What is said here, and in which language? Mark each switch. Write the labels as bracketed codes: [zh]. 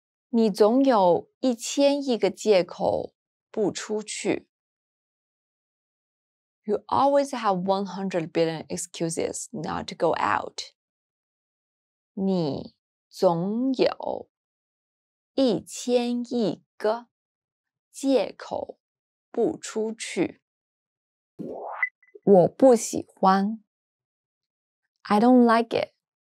[zh] 你总有1000亿个借口不出去。 [en] You always have 100 billion excuses not to go out. [zh] 你总有1000亿个借口不出去。我不喜欢。 [en] I don't like it.